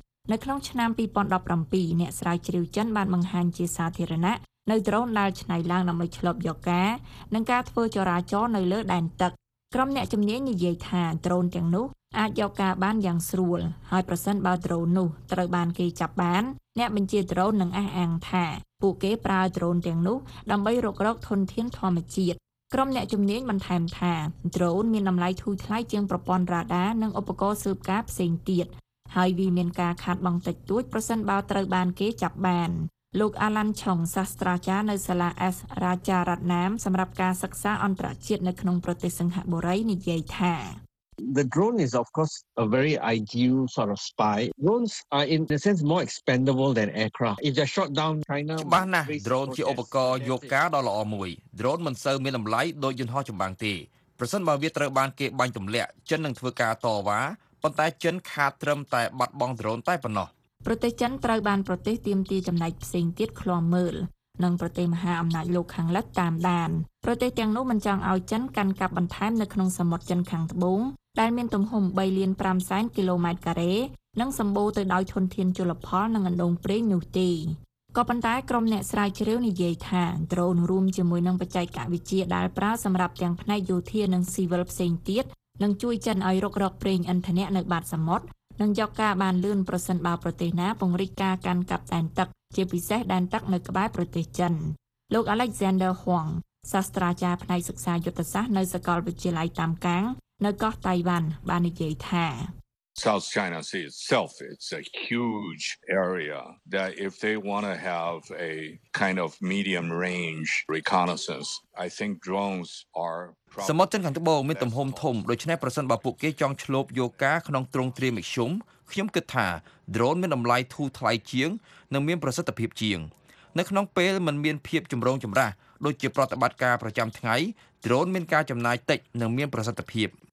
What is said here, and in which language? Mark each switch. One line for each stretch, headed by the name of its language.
Khmer: នៅក្នុងឆ្នាំ2017អ្នកស្រាវជ្រាវចិនបានបង្ហាញជាសាធារណៈនៅដ្រូនដែលឆ្នៃឡើងដើម្បីឆ្លបយកការនិងការធ្វើចរាចរនៅលើដែនទឹកក្រុមអ្នកជំនាញនិយាយថាដ្រូនទាំងនោះអាចយកការបានយ៉ាងស្រួលហើយប្រសិនបើដ្រូននោះត្រូវបានគេចាប់បានអ្នកបញ្ជាដ្រូននឹងអះអាងថាពួកគេប្រើដ្រូនទាំងនោះដើម្បីរករកធនធានធម្មជាតិក្រុមអ្នកជំនាញបន្ថែមថាដ្រូនមានតម្លៃធូរថ្លៃជាងប្រព័ន្ធរ៉ាដានិងឧបករណ៍ស៊ើបការផ្សេងទៀត ហើយវាមានការខាតបង់តិចតួចប្រសិនបើត្រូវបានគេចាប់បានលោក Alan Chong សាស្ត្រាចារ្យនៅសាលា S រាជរតនាមសម្រាប់ការសិក្សាអន្តរជាតិនៅក្នុងប្រទេសសិង្ហបុរីនិយាយថា
English: The drone is of course a very ideal sort of spy. Drones are in a sense more expendable than aircraft. If they're shot down China
Khmer: ច្បាស់ណាស់ drone ជាឧបករណ៍យកការដ៏ល្អមួយ drone មិនសូវមានតម្លៃដូចយន្តហោះចម្បាំងទេប្រសិនបើវាត្រូវបានគេបាញ់ទម្លាក់ចិននឹងធ្វើការតវ៉ាប៉ុន្តែចិនខាតត្រឹមតែបាត់បង់ drone តែប៉ុណ្ណោះ ប្រទេសចិនត្រូវបានប្រទេសទាមទារចំណែកផ្សេងទៀតឃ្លាំមើលនិងប្រទេសមហាអំណាចលោកខាងលិចតាមដានប្រទេសទាំងនោះមិនចង់ឲ្យចិនកាន់កាប់បន្ថែមនៅក្នុងសមុទ្រចិនខាងត្បូងដែលមានទំហំ3.5 លានគីឡូម៉ែត្រការ៉េនិងសម្បូរទៅដោយធនធានជលផលនិងអណ្ដូងព្រេងនោះទេ ក៏ប៉ុន្តែក្រុមអ្នកស្រាវជ្រាវនិយាយថាដ្រូនរួមជាមួយនឹងបច្ចេកវិទ្យាដែលប្រើសម្រាប់ទាំងផ្នែកយោធានិងស៊ីវិលផ្សេងទៀតនឹងជួយចិនឲ្យរករកប្រេងឥន្ធនៈនៅបាតសមុទ្រនឹងយកការបានលឿនប្រសិនបើប្រទេសណាពង្រីកការកាន់កាប់ដែនទឹកជាពិសេសដែនទឹកនៅក្បែរប្រទេសចិនលោក Alexander Huang សាស្ត្រាចារ្យផ្នែកសិក្សាយុទ្ធសាស្ត្រនៅសាកលវិទ្យាល័យតាមកាំងនៅកោះតៃវ៉ាន់បាននិយាយថា
English: South China Sea itself it's a huge area that if they want to have a kind of medium range reconnaissance I think drones are
Khmer: សមុទ្រចិនខាងត្បូងមានទំហំធំដូច្នេះប្រសិនបើពួកគេចង់ឆ្លប់យកការក្នុងទ្រង់ទ្រាយមធ្យមខ្ញុំគិតថា drone មានតម្លៃធូរថ្លៃជាងនិងមានប្រសិទ្ធភាពជាង នៅក្នុងពេលมันមានភាពចម្រូងចម្រាសដូចជាប្រតិបត្តិការប្រចាំថ្ងៃដ្រូនមានការចំណាយតិចនិងមានប្រសិទ្ធភាព